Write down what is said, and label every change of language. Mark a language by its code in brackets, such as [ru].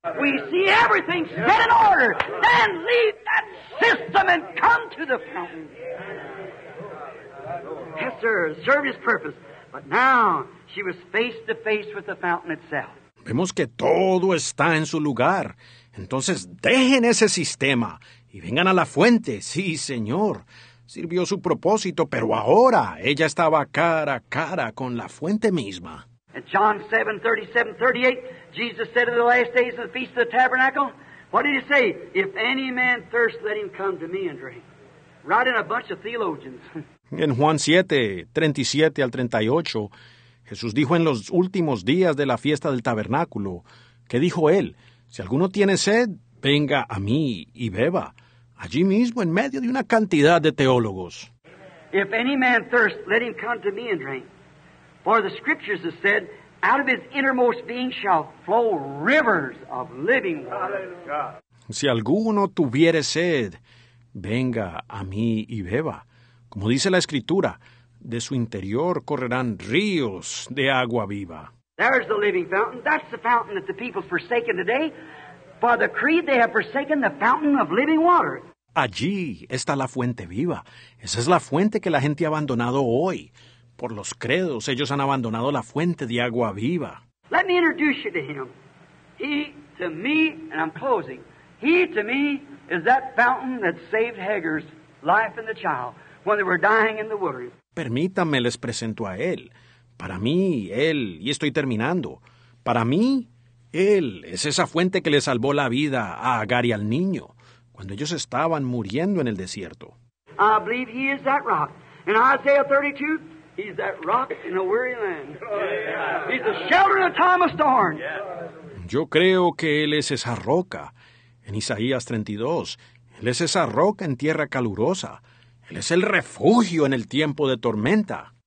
[en] We see everything set in order. Then leave that system and come to the fountain. Yes, sir, served his purpose. But now she was face to face with the fountain itself. [es] Vemos que todo está en su lugar. Entonces dejen ese sistema y vengan a la fuente. Sí, Señor. Sirvió su propósito, pero ahora ella estaba cara a cara con la fuente misma. [en] In John 7:37-38, Jesus said in the last days of the Feast of the Tabernacle, what did he say? If any man thirst, let him come to me and drink. Right in a bunch of theologians. [es] En Juan 7:37-38, Jesús dijo en los últimos días de la fiesta del tabernáculo, ¿qué dijo él? Si alguno tiene sed, venga a mí y beba. Allí mismo, en medio de una cantidad de teólogos. [en] If any man thirst, let him come to me and drink. For the Scriptures have said, out of his innermost being shall flow rivers of living water. [es] Si alguno tuviere sed, venga a mí y beba. Como dice la Escritura, de su interior correrán ríos de agua viva. [en] There's the living fountain. That's the fountain that the people have forsaken today. By the creed they have forsaken the fountain of living water. [es] Allí está la fuente viva. Esa es la fuente que la gente ha abandonado hoy. Por los credos, ellos han abandonado la fuente de agua viva. [en] Let me introduce you to him. He to me, and I'm closing. He to me is that fountain that saved Hagar's life and the child when they were dying in the wilderness. [es] Permítanme les presento a él. Para mí, él, y estoy terminando. Para mí, él es esa fuente que le salvó la vida a Agar y al niño cuando ellos estaban muriendo en el desierto. [en] I believe he is that rock. In Isaiah 32, he's that rock in a weary land. He's the shelter in a time of storm. [es] Yo creo que él es esa roca. En Isaías 32, él es esa roca en tierra calurosa. Él es el refugio en el tiempo de tormenta.